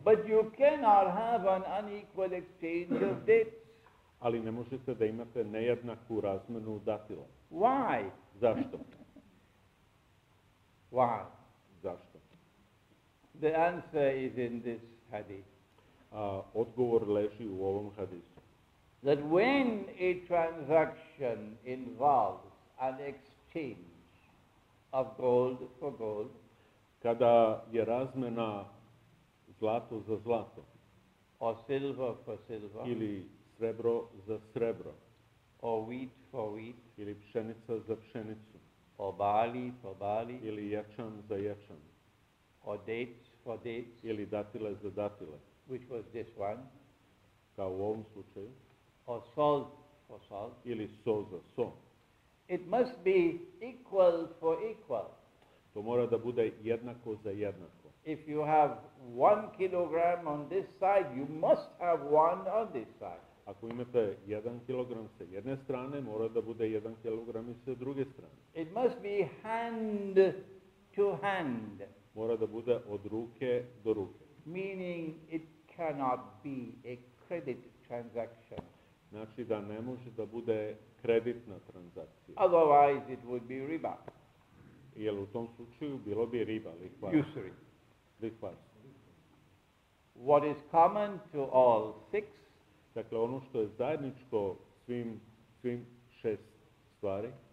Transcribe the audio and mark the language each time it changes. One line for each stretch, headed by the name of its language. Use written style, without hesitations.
English: But you cannot have an unequal exchange of dates.
Serbian: Ali ne možete da imate nejednaku razmenu datila.
English: Why?
Serbian: Zašto?
English: Why?
Serbian: Zašto?
English: The answer is in this hadith.
Serbian: Odgovor leži u ovom hadisu.
English: That when a transaction involves an exchange of gold for gold,
Serbian: kada je razmena zlato za zlato,
English: or silver for silver,
Serbian: ili srebro za srebro,
English: or wheat for wheat,
Serbian: ili pšenica za pšenicu, Obali, pobali. Ili ječan za ječan.
English: Or dates for dates.
Serbian: Ili datile za datile.
English: Which was this one.
Serbian: Kao u ovom slučaju.
English: Or salt for salt.
Serbian: Ili so za so.
English: It must be equal for equal.
Serbian: To mora da bude jednako za jednako.
English: If you have 1 kilogram on this side, you must have one on this side.
Serbian: Ako imate 1 kilogram sa jedne strane, mora da bude 1 kilogram I sa druge strane.
English: It must be hand to hand.
Serbian: Mora da bude od ruke do ruke.
English: Meaning it cannot be a credit transaction.
Serbian: Znači da ne može da bude kreditna transakcija.
English: Otherwise it would be riba.
Serbian: Jer u tom slučaju bilo bi riba, lihvar.
English: Usury.
Serbian: Lihvar.
English: What is common to all six?
Serbian: Dakle, ono što je zajedničko svim šest stvari.